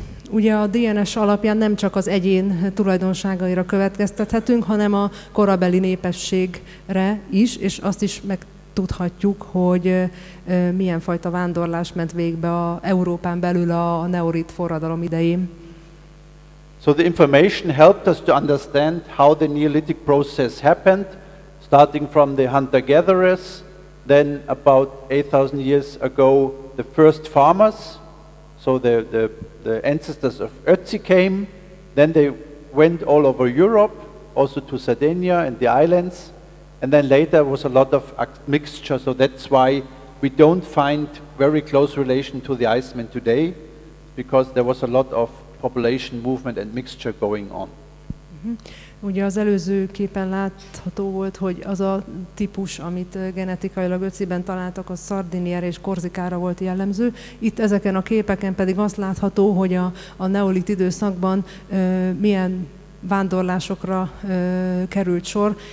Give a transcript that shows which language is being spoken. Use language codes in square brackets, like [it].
[hu] Ugye a DNS alapján nem csak az egyén tulajdonságaira következtethetünk, hanem a korabeli népességre is, és azt is megtudhatjuk, hogy milyen fajta vándorlás ment végbe a Európán belül a neolit forradalom idején. [en] So the information helped us to understand how the Neolithic process happened, starting from the hunter-gatherers, then about 8,000 years ago the first farmers, so the ancestors of Ötzi came, then they went all over Europe, also to Sardinia and the islands, and then later was a lot of mixture, so that's why we don't find very close relation to the Iceman today, because there was a lot of population movement and mixture going on. [hu] Ugye az előző képen látható volt, hogy az a típus, amit genetikailag Ötziben találtak, az Sardiniára és Korzikára volt jellemző. Itt ezeken a képeken pedig azt látható, hogy a neolit időszakban milyen vándorlásokra került sor.